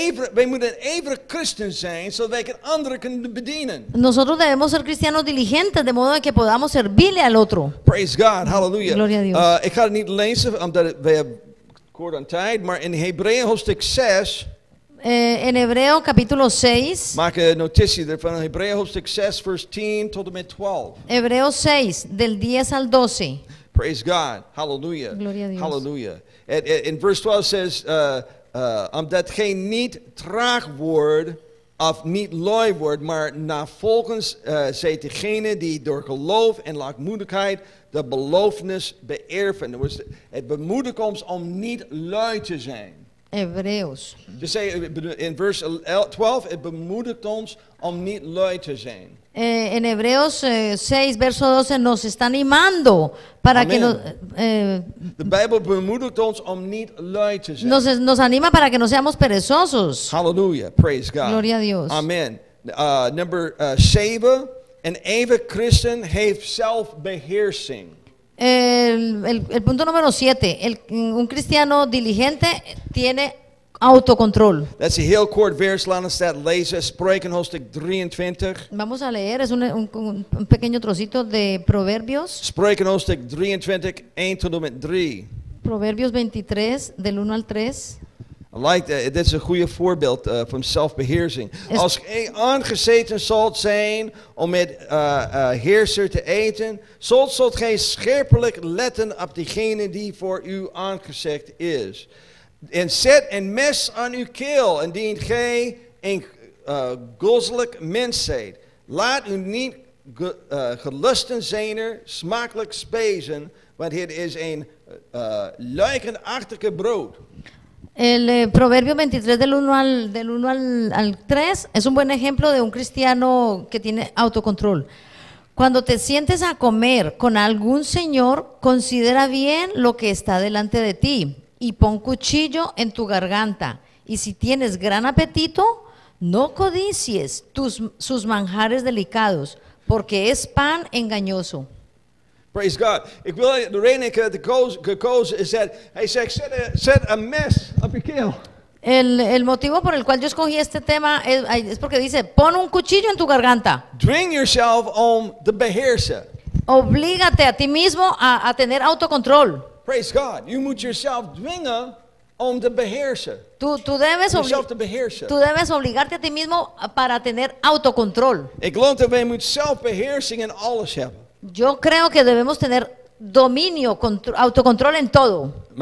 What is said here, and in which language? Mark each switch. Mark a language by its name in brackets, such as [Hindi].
[Dutch] Wij moeten ijverig christen zijn, zodat wij anderen kunnen bedienen. [Spanish] Nosotros debemos ser cristianos diligentes, de modo que podamos servirle al otro. [English] Praise God, hallelujah. [Spanish] Gloria a Dios. [Dutch] Ik ga het niet lezen, omdat we hebben kort aan tijd, maar in Hebreeën hoofdstuk 6. [Spanish] In Hebreo capítulo 6. [Dutch] Maak een notitie ervan. Hebreeën hoofdstuk 6, vers 10 tot en met 12. [Spanish] Hebreo 6, del 10 al 12. [English] Praise God, hallelujah. [Spanish] Gloria a Dios. [English] Hallelujah. In vers 12 says. [Dutch] Omdat gij niet traag wordt of niet lui wordt, maar navolgens zijt degene die door geloof en laagmoedigheid de beloofnis beërven. Dat was het bemoedigen ons om niet lui te zijn. Hebreeuws. Dus in vers 12, het bemoedigt ons om niet lui te zijn. [Spanish] En Hebreos 6, verso 12, nos está animando para Amen. Que nos. [Dutch] De Bijbel bemoedigt ons om niet lui te zijn. [Spanish] Nos anima para que no seamos perezosos. [English] Hallelujah, praise God. [Spanish] Gloria a Dios. Amen. [English] Number 7, [Dutch] een ijverig christen heeft zelfbeheersing. [Spanish] El punto número 7, un cristiano diligente tiene autocontrol. [English] That's a [Dutch] heel kort vers, laat ons dat lezen. Spreuken hoofdstuk 23. [Spanish] Vamos a leer, es un pequeño trocito de Proverbios. [Dutch] Spreuken hoofdstuk 23, 1 tot en met 3. [Spanish] Proverbios 23, del 1 al 3. [English] I like that. [Dutch] Dit is een goede voorbeeld van zelfbeheersing. Als gij aangezeten zult zijn om met heerser te eten, zult gij scherpelijk letten op diegene die voor u aangezegd is. En zet een mes aan uw keel, indien gij een gozelijk mens zijt. Laat u niet gelusten zijn er smakelijk spezen, want het is een luikenachtige brood. [Spanish] El Proverbio 23 del 1 al 3 es un buen ejemplo de un cristiano que tiene autocontrol. Cuando te sientes a comer con algún señor, considera bien lo que está delante de ti y pon cuchillo en tu garganta. Y si tienes gran apetito, no codicies sus manjares delicados, porque es pan engañoso. [English] Praise God. [Dutch] Ik wil de reden ik heb gekozen is dat hij zegt, zet een mes op je keel. [Spanish] El motivo por el cual yo escogí este tema es porque dice, pon un cuchillo en tu garganta. [English] Dwing yourself on the beheerser. [Spanish] Oblígate a ti mismo a tener autocontrol. [English] Praise God. You [Dutch] moet yourself dwingen om te beheersen. [Spanish] Tú debes obligarte a ti mismo para tener autocontrol. [Dutch] Ik geloof dat wij moet zelfbeheersing in alles hebben. [Spanish] Yo creo que debemos tener dominio, autocontrol en todo.